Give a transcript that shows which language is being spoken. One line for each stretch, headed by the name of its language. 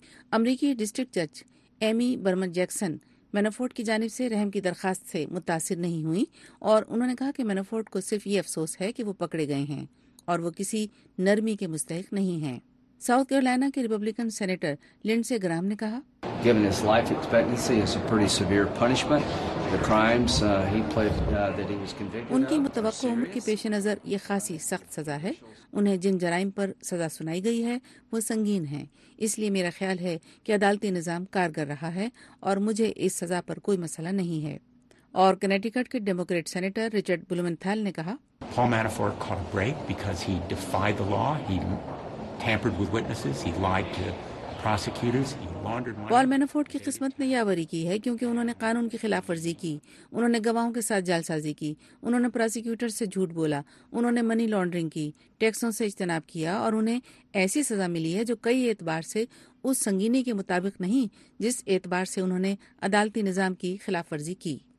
Urdu: امریکی ڈسٹرکٹ جج ایمی برمن جیکسن مینیفرٹ کی جانب سے رحم کی درخواست سے متاثر نہیں ہوئی اور انہوں نے کہا کہ مینیفرٹ کو صرف یہ افسوس ہے کہ وہ پکڑے گئے ہیں اور وہ کسی نرمی کے مستحق نہیں ہیں. ساؤتھ کیرولائنا کے ریپبلکن سینیٹر لنڈسے گرام نے کہا
English: Given his life expectancy is a pretty severe punishment. The crimes he pled that he was convicted of.
Urdu: ان کی متوقع عمر کی پیش نظر یہ خاصی سخت سزا ہے. انہیں جن جرائم پر سزا سنائی گئی ہے وہ سنگین ہیں، اس لیے میرا خیال ہے کہ عدالتی نظام کارگر رہا ہے اور مجھے اس سزا پر کوئی مسئلہ نہیں ہے. اور کنیٹیکٹ کے ڈیموکریٹ سینیٹر رچرڈ بلومنتھال نے کہا
English: Paul Manafort caught a break because he defied the law. He tampered with witnesses. He lied to prosecutors.
Urdu: پال مینیفرٹ کی قسمت نے یاوری کی ہے کیونکہ انہوں نے قانون کی خلاف ورزی کی، انہوں نے گواہوں کے ساتھ جال سازی کی، انہوں نے پروسیکیوٹر سے جھوٹ بولا، انہوں نے منی لانڈرنگ کی، ٹیکسوں سے اجتناب کیا اور انہیں ایسی سزا ملی ہے جو کئی اعتبار سے اس سنگینی کے مطابق نہیں جس اعتبار سے انہوں نے عدالتی نظام کی خلاف ورزی کی.